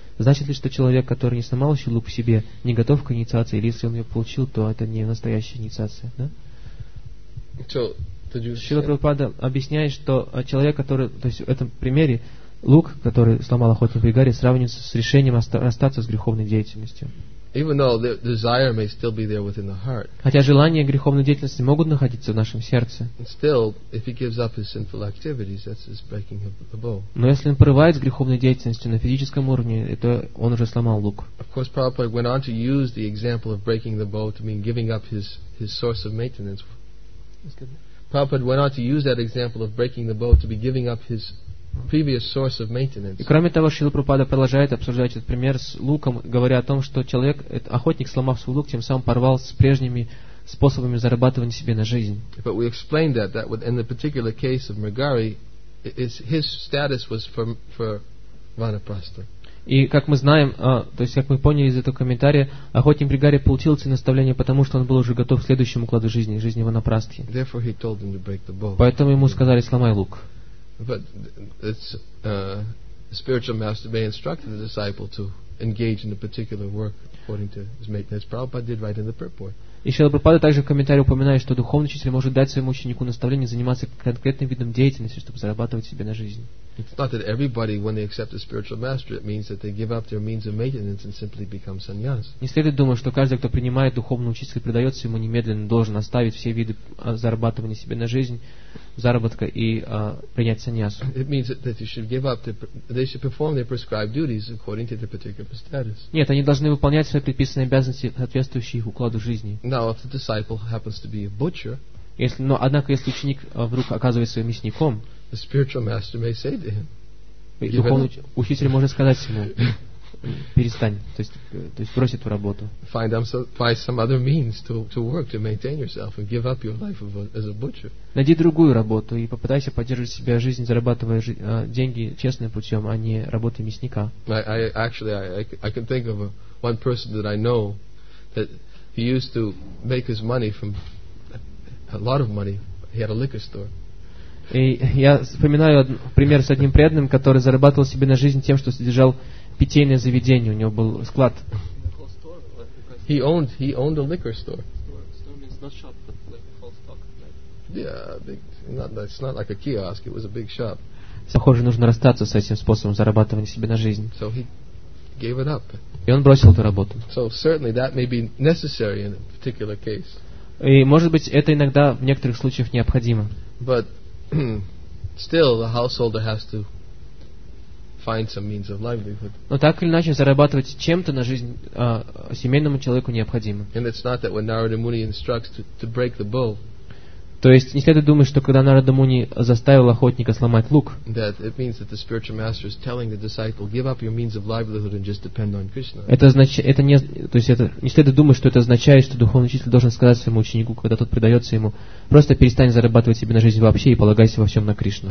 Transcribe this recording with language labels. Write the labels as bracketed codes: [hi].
[ru] Значит ли, что человек, который не сломал еще лук в себе, не готов к инициации, или если он ее получил, то это не настоящая инициация, да? Шрила Прабхупада объясняет, что человек, который, то есть в этом примере лук, который сломал охотник Бригари, сравнивается с решением расстаться с греховной деятельностью. [en] Even though the desire may still be there within the heart. [ru] Хотя желания греховной деятельности могут находиться в нашем сердце. [en] Still, if he gives up his sinful activities, that's his breaking of the bow. [ru] Но если он порывает с греховной деятельностью на физическом уровне, это он уже сломал лук. [en] Of course, Prabhupada went on to use the example of breaking the bow to mean giving up his source of maintenance. Prabhupada went on to use that example of breaking the bow to be giving up his previous source of maintenance. [ru] И кроме того, Шрила Прабхупада продолжает обсуждать этот пример с луком, говоря о том, что человек, охотник, сломав свой лук, тем самым порвал с прежними способами зарабатывания себе на жизнь. [en] But we explained that in the particular case of Mrigari, his status was for vanaprastha. [ru] И как мы знаем, то есть как мы поняли из этого комментария, охотник Мригари получил ценоставление, потому что он был уже готов к следующему укладу жизни, жизни ванапрасты. [en] Therefore he told him to break the bow. [ru] Поэтому ему сказали, сломай лук. [en] But it's spiritual master may instruct the disciple to engage in a particular work according to his maintenance. Prabhupada did write in the purport. [ru] И Шрила Прабхупада также в комментарии упоминает, что духовный учитель может дать своему ученику наставление заниматься конкретным видом деятельности, чтобы зарабатывать себе на жизнь. [en] It's not that everybody, when they accept a spiritual master, it means that they give up their means of maintenance and simply become sannyas. [ru] Не следует думать, что каждый, кто принимает духовного учителя, предается ему немедленно, должен оставить все виды зарабатывания себе на жизнь, заработка и принять саньясу. [en] It means that they should give up, they should perform their prescribed duties according to their particular status. [ru] Нет, они должны выполнять свои предписанные обязанности, соответствующие их укладу жизни. [en] Now, if the disciple happens to be a butcher, [ru] однако, если ученик вдруг оказывается мясником, [en] the spiritual master may say to him, [ru] учитель может сказать ему, перестань, то есть брось эту работу. [en] Find some other means to work, to maintain yourself, and give up your life as a butcher. [ru] Найди другую работу и попытайся поддерживать себя жизнь, зарабатывая деньги честным путем, а не работой мясника. [en] I can think of one person that I know that he used to make his money from a lot of money. He had a liquor store. [ru] И я вспоминаю пример с одним преданным, который зарабатывал себе на жизнь тем, что содержал питейное заведение. У него был склад. [en] He owned a liquor store. Store means not shop, but like a full stock. Like. Yeah, big. Not, it's not like a kiosk. It was a big shop. [ru] Похоже, нужно расстаться с этим способом зарабатывания себе на жизнь. [en] So he gave it up. [ru] И он бросил эту работу. [en] So certainly that may be necessary in a particular case. [ru] И может быть, это иногда в некоторых случаях необходимо. [en] But still, the householder has to find some means of livelihood. [ru] Но так или иначе, зарабатывать чем-то на жизнь семейному человеку необходимо. [en] And it's not that when Narada Muni instructs to break the bow. [ru] То есть не следует думать, что когда Нарада Муни заставил охотника сломать лук, это не следует думать, что это означает, что духовный учитель должен сказать своему ученику, когда тот предается ему, просто перестань зарабатывать себе на жизнь вообще и полагайся во всем на Кришну.